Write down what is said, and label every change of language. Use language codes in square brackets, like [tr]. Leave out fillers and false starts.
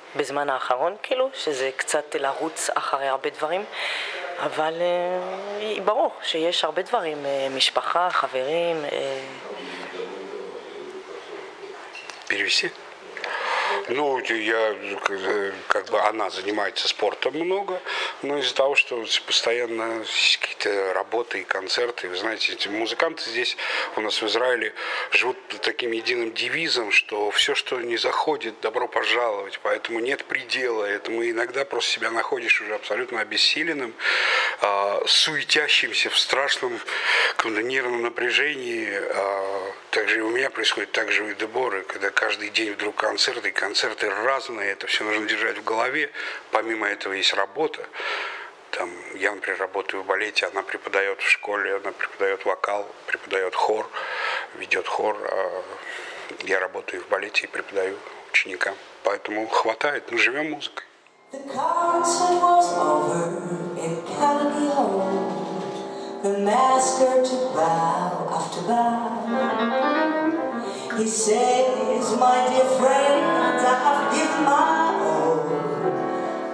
[he] בזמן האחרון, כאילו, שזה קצת לרוץ אחרי הרבה דברים, אבל ברור שיש הרבה דברים, משפחה, חברים. [ru] Перевести? Ну, я как бы она занимается спортом много, но из-за того, что постоянно какие-то работы и концерты, вы знаете, эти музыканты здесь у нас в Израиле живут таким единым девизом, что все, что не заходит, добро пожаловать, поэтому нет предела этому. Иногда просто себя находишь уже абсолютно обессиленным, суетящимся в страшном нервном напряжении. Также и у меня происходит, так же и у Деборы, когда каждый день вдруг концерты, концерты разные, это все нужно держать в голове. Помимо этого есть работа. Там, я, например, работаю в балете, она преподает в школе, она преподает вокал, преподает хор, ведет хор. Я работаю в балете и преподаю ученикам. Поэтому хватает, мы живем музыкой. [en] The concert was over, it can be home. The master took bow after bow. He says, my dear friend, I have given my all.